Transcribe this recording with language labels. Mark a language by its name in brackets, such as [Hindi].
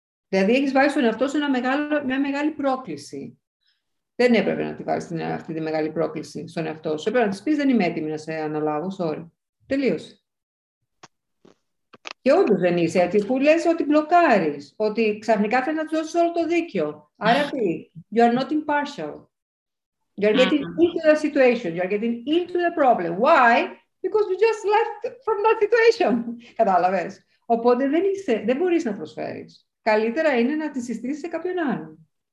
[Greek] Δηλαδή έχεις βάλει στον εαυτό σου μια μεγάλη πρόκληση. Δεν έπρεπε να τη βάλεις αυτή τη μεγάλη πρόκληση στον εαυτό σου. Έπρεπε να της πεις, δεν είμαι έτοιμη να σε αναλάβω, sorry. Τελείωσε. Και όντως δεν είσαι έτσι, που λες ότι μπλοκάρεις, ότι ξαφνικά θέλεις να της δώσεις όλο το δίκιο. Άρα τι, [English] you are not impartial. You are getting into the situation, you are getting into the problem. Why? Because you just left from that situation. [Greek] Κατάλαβες. Οπότε δεν μπορείς να προσφέρεις. Καλύτερα είναι να τη συστήσεις σε κάποιον άλλον.